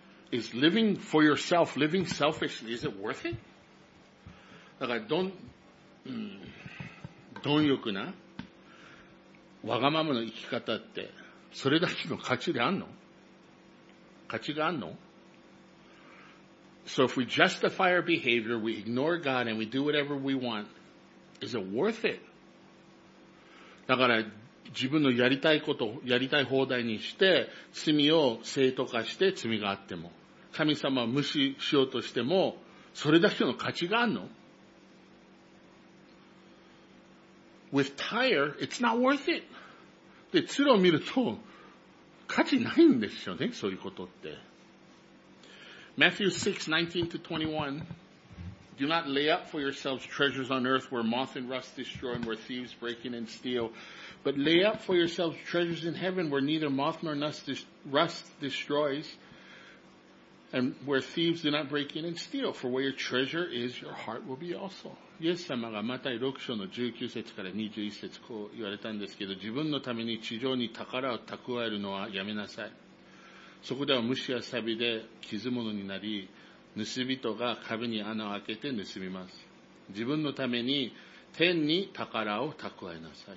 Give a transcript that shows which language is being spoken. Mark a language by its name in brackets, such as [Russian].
[English] Is living for yourself, living selfishly, is it worth it? [Japanese] だから、貪欲な、わがままの生き方って、それだけの価値であんの？価値があんの？ [English] So if we justify our behavior, we ignore God and we do whatever we want, is it worth it? [Japanese] だから、自分のやりたいこと、やりたい放題にして、罪を正当化して罪があっても。神様を無視しようとしても、それだけの価値があるの？ [English] With Tyre, it's not worth it. [Japanese] で、鶴を見ると、価値ないんですよね、そういうことって。 [English] Matthew 6:19-21 Do not lay up for yourselves treasures on earth where moth and rust destroy and where thieves break in and steal, but lay up for yourselves treasures in heaven where neither moth nor rust destroys,And where thieves do not break in and steal, for where your treasure is, your heart will be also. [Japanese] イエス様がマタイ6章の19節から21節こう言われたんですけど、自分のために地上に宝を蓄えるのはやめなさい。そこでは虫やサビで傷物になり、盗人が壁に穴を開けて盗みます。自分のために天に宝を蓄えなさい。